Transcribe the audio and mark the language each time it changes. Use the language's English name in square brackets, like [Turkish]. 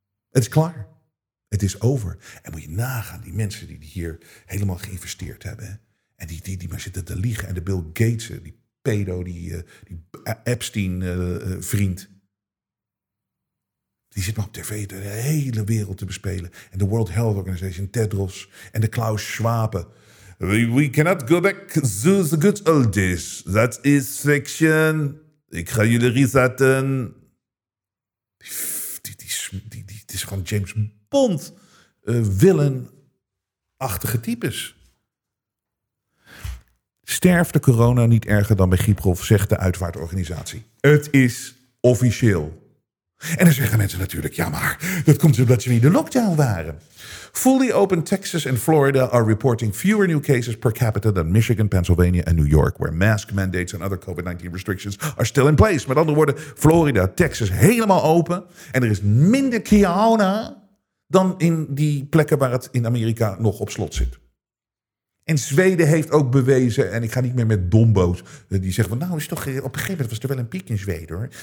[Dutch] Het is klaar. Het is over. En moet je nagaan, die mensen die hier helemaal geïnvesteerd hebben. Hè? En die maar zitten te liegen. En de Bill Gates, die pedo, die Epstein-vriend. Die zit maar op tv de hele wereld te bespelen. En de World Health Organization, Tedros. En de Klaus Schwabe. [English] We cannot go back to the good old days. That is fiction. [Dutch] Ik ga jullie resetten. Het is gewoon James Bond, willenachtige types. Sterft de corona niet erger dan bij griepgolf, zegt de uitvaartorganisatie. Het is officieel. En dan zeggen mensen natuurlijk, ja maar, dat komt omdat ze in de lockdown waren. [English] Fully open Texas and Florida are reporting fewer new cases per capita than Michigan, Pennsylvania and New York, where mask mandates and other COVID-19 restrictions are still in place. [Dutch] Met andere woorden, Florida, Texas helemaal open en er is minder corona dan in die plekken waar het in Amerika nog op slot zit. En Zweden heeft ook bewezen, en ik ga niet meer met dombo's, die zeggen van, nou, is toch, op een gegeven moment was er wel een piek in Zweden, hoor.